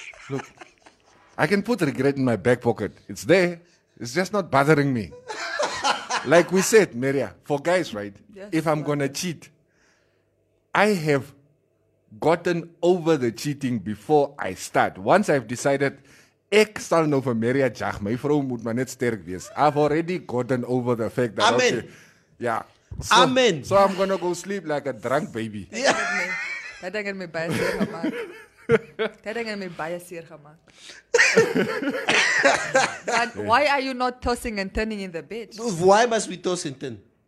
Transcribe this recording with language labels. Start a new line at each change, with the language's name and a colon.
English: Look, I can put regret in my back pocket. It's there. It's just not bothering me. Like we said, Maria, for guys, right? Yes, if I'm gonna cheat, I have gotten over the cheating before I start. Once I've decided.
Afrikaans: Ek sal nou vir Maria jag, my vrou moet maar net sterk wees.
English: I've already gotten over the fact that amen. Okay. Yeah. So, amen. So I'm going to go sleep like a drunk baby.
Afrikaans: Yeah. Dat ding het my baie seer gemaak.
English: And why are you not tossing and turning in the bed? Why must we toss and turn?